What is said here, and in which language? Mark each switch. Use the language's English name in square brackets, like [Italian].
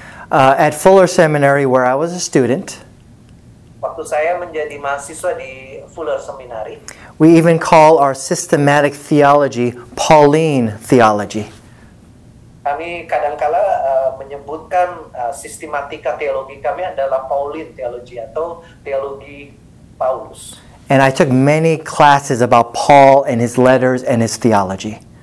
[English] At Fuller Seminary, where I was a student, [Indonesian] waktu saya menjadi mahasiswa di Fuller Seminary, [English] we even call our systematic theology Pauline theology. [Indonesian] Kami kadangkala menyebutkan sistematika teologi kami adalah Pauline theology atau teologi Paulus. [English] And I took many classes about Paul and his letters and his theology.